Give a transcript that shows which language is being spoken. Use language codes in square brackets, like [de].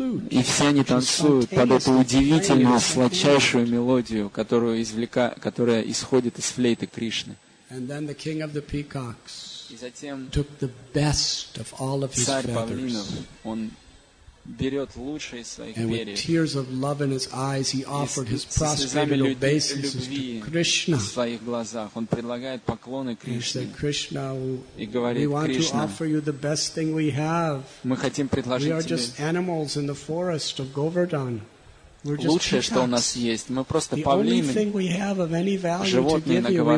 [ru] И все они танцуют под эту удивительную, сладчайшую мелодию, которая исходит из флейты Кришны. [en] And then the king of the peacocks took the best of all of his feathers. And with tears of love in his eyes, he offered his prostrated obeisances to Krishna. [ru] В своих глазах он предлагает поклоны Кришне. [en] He said, "Krishna, we want to offer you the best thing we have. [ru] Мы хотим предложить тебе. [en] We are just animals in the forest of Govardhan." [ru] Лучшее, что у нас есть, мы просто павлины, животные на